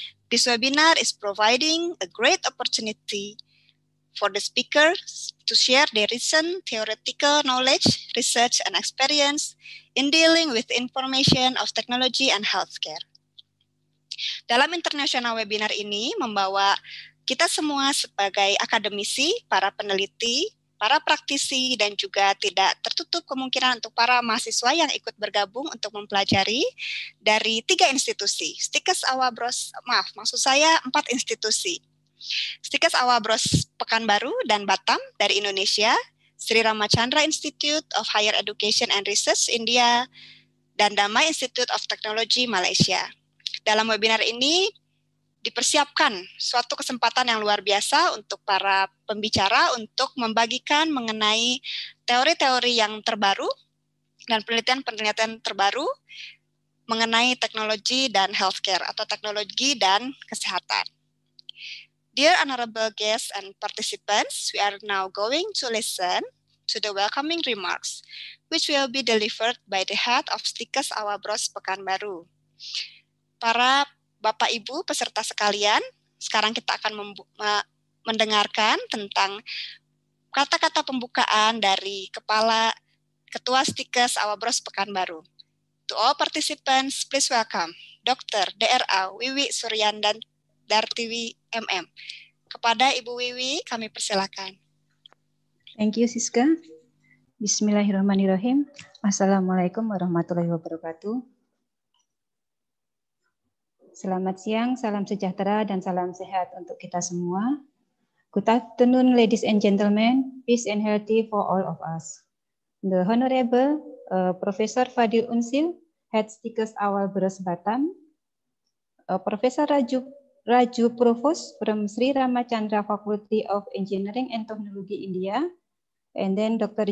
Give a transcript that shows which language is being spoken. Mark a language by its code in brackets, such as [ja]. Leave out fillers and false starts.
[en] This webinar is providing a great opportunity for the speakers to share their recent theoretical knowledge, research, and experience in dealing with information of technology and healthcare. [id] Dalam international webinar ini membawa kita semua sebagai akademisi, para peneliti, para praktisi, dan juga tidak tertutup kemungkinan untuk para mahasiswa yang ikut bergabung untuk mempelajari dari tiga institusi, Stikes Awabros, empat institusi. Stikes Awabros Pekanbaru dan Batam dari Indonesia, Sri Ramachandra Institute of Higher Education and Research India, dan Damai Institute of Technology Malaysia. Dalam webinar ini, dipersiapkan suatu kesempatan yang luar biasa untuk para pembicara untuk membagikan mengenai teori-teori yang terbaru dan penelitian-penelitian terbaru mengenai teknologi dan healthcare atau teknologi dan kesehatan. [en] Dear honorable guests and participants, we are now going to listen to the welcoming remarks, which will be delivered by the head of Stikes Awabros Pekanbaru. [id] Para Bapak, Ibu, peserta sekalian, sekarang kita akan mendengarkan tentang kata-kata pembukaan dari Kepala Ketua Stikes Awabros Pekanbaru. [en] To all participants, please welcome Dr. DRA Wiwi Suryandartiwi MM. [id] Kepada Ibu Wiwi, kami persilakan. [en] Thank you, Siska. Bismillahirrahmanirrahim. Assalamualaikum warahmatullahi wabarakatuh. [id] Selamat siang, salam sejahtera, dan salam sehat untuk kita semua. [en] Good afternoon, ladies and gentlemen. Peace and healthy for all of us. The Honorable Profesor Fadil Unsil, Head Stikes Awal Bros Batam, Profesor Raju Provost from Sri Ramachandra Faculty of Engineering and Technology India, and then Dr.